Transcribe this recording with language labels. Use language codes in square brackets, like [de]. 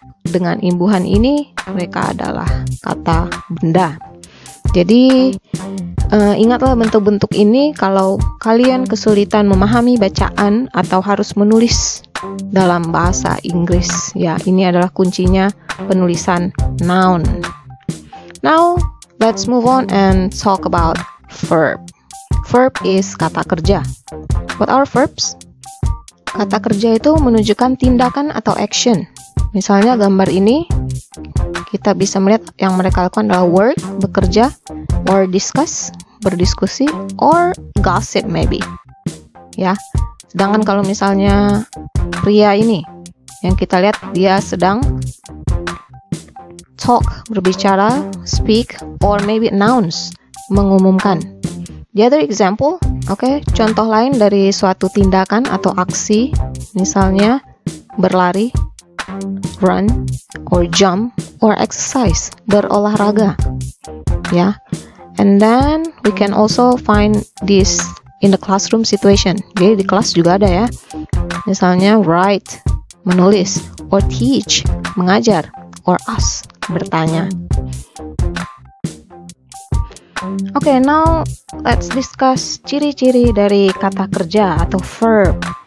[id] Dengan imbuhan ini, mereka adalah kata benda. Jadi, ingatlah bentuk-bentuk ini kalau kalian kesulitan memahami bacaan atau harus menulis dalam bahasa Inggris. Ya, ini adalah kuncinya penulisan noun. [en] Now, let's move on and talk about verb. [id] Verb is kata kerja. [en] What are verbs? [id] Kata kerja itu menunjukkan tindakan atau action. Misalnya gambar ini, kita bisa melihat yang mereka lakukan adalah work, bekerja, or discuss, berdiskusi, or gossip maybe. Ya. Sedangkan kalau misalnya pria ini, yang kita lihat dia sedang talk, berbicara, speak, or maybe announce, mengumumkan. [en] The other example, okay, [id] contoh lain dari suatu tindakan atau aksi, misalnya berlari, run, or jump, or exercise, berolahraga, ya. Yeah. [en] And then we can also find this in the classroom situation. [id] Jadi di kelas juga ada ya. Misalnya write, menulis, or teach, mengajar, or ask, bertanya. [en] Okay, now let's discuss [id] ciri-ciri dari kata kerja atau verb.